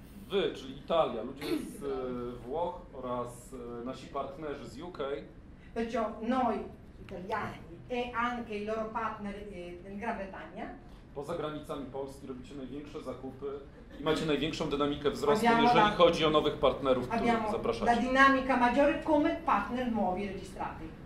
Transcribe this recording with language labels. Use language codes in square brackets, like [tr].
[pl] Wy, czyli Italia, ludzie z Włoch oraz nasi partnerzy z UK. [it] Perciò noi, italiani, e anche i loro partner del Gran Bretagna. [pl] Poza granicami Polski robicie największe zakupy i macie największą dynamikę wzrostu, abbiamo jeżeli chodzi o nowych partnerów, których zapraszacie. [it] La dinamica maggiore come partner nuovi registrati.